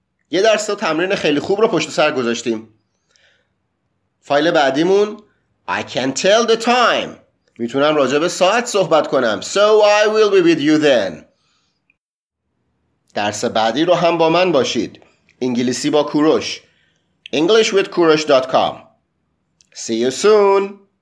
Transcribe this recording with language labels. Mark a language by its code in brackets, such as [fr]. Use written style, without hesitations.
[fa] یه درس و تمرین خیلی خوب رو پشت سر گذاشتیم. فایل بعدیمون [en] I can tell the time، [fa] میتونم راجع به ساعت صحبت کنم. [en] So I will be with you then. [fa] درس بعدی رو هم با من باشید. انگلیسی با کوروش. englishwithkurosh.com. [en] See you soon.